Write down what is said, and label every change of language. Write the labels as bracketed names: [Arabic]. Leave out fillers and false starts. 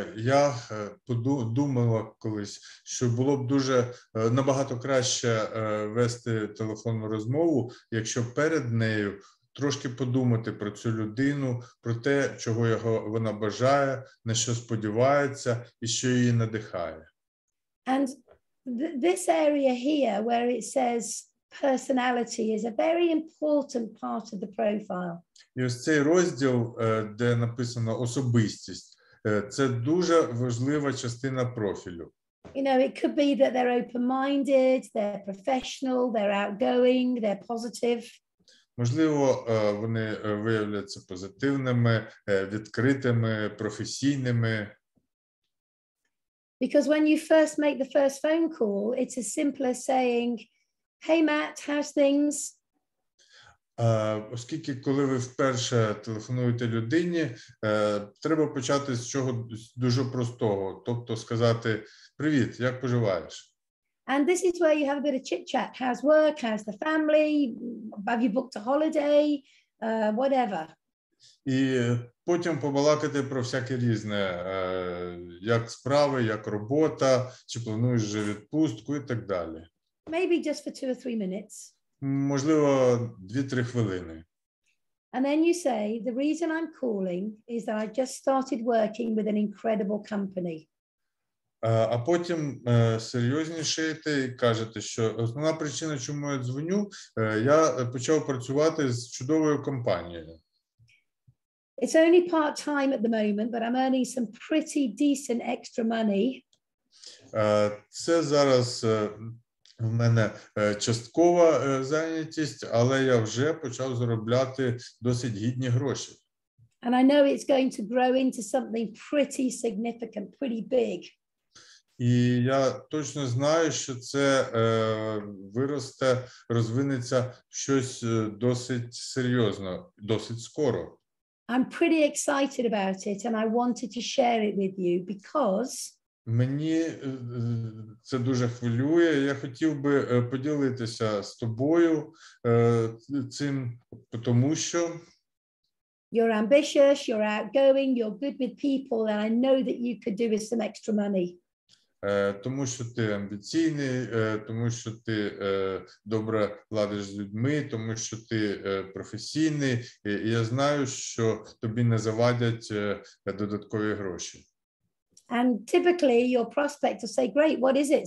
[Ukrainian] Я подумала колись, що було б дуже набагато краще вести телефонну розмову, якщо перед нею трошки подумати про цю людину, про те, чого вона бажає, на що сподівається і що її надихає. [English] And this area here where it says personality is a very important part of the profile. [Ukrainian] І ось цей розділ, де написано особистість, це дуже важлива частина профілю. [English] You know, it could be that they're open-minded, they're professional, they're outgoing, they're positive. [Ukrainian] Можливо, вони виявляться позитивними, відкритими, професійними. [English] Because when you first make the first phone call, it's as simple as saying, "Hey Matt, how's things?" [Ukrainian] Оскільки коли ви вперше телефонуєте людині, треба почати з чого дуже простого, тобто сказати: "Привіт, як поживаєш?" [English] And this is where you have a bit of chit-chat. How's work? How's the family? Have you booked a holiday? Whatever. [Ukrainian] І потім побалакати про всяке різне, як справи, як робота, чи плануєш вже відпустку і так далі. [English] Maybe just for 2 or 3 minutes. [Ukrainian] Можливо, 2-3 хвилини. [English] And then you say, the reason I'm calling is that I just started working with an incredible company. [Ukrainian] А потім серйозніше йти і кажете, що основна причина, чому я дзвоню, я почав працювати з чудовою компанією. [English] It's only part-time at the moment, but I'm earning some pretty decent extra money. [Ukrainian] Це зараз в мене часткова зайнятість, але я вже почав заробляти досить гідні гроші. [English] And I know it's going to grow into something pretty significant, pretty big. [Ukrainian] І я точно знаю, що це виросте, розвинеться щось досить серйозно, досить скоро. [English] I'm pretty excited about it and I wanted to share it with you because [Ukrainian] мені це дуже хвилює, я хотів би поділитися з тобою цим, тому що [English] you're ambitious, you're outgoing, you're good with people and I know that you could do with some extra money. [Ukrainian] Тому що ти амбіційний, тому що ти добре ладиш з людьми, тому що ти професійний, і я знаю, що тобі не завадять додаткові гроші. [English] And typically your prospects will say, great, what is it?